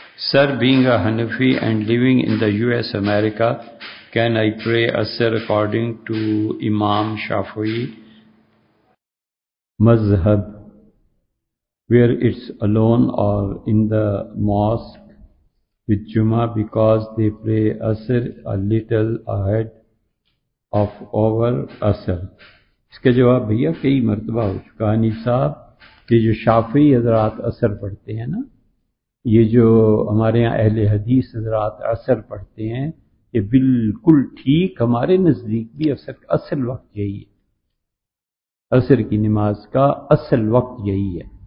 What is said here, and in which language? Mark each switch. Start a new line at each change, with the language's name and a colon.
English: Sir, being a Hanafi and living in the U S America, can I pray Asr according to Imam Shafi madhhab, where it's alone or in the mosque with Juma because they pray Asr a little ahead of our Asr.
Urdu: اس کے جواب بھیا کئی مرتبہ ہو چکا ہے صاحب کہ جو شافعی حضرات عصر پڑھتے ہیں نا, یہ جو ہمارے ہاں اہل حدیث حضرات عصر پڑھتے ہیں, یہ بالکل ٹھیک ہمارے نزدیک بھی عصر کا اصل وقت یہی ہے, عصر کی نماز کا اصل وقت یہی ہے.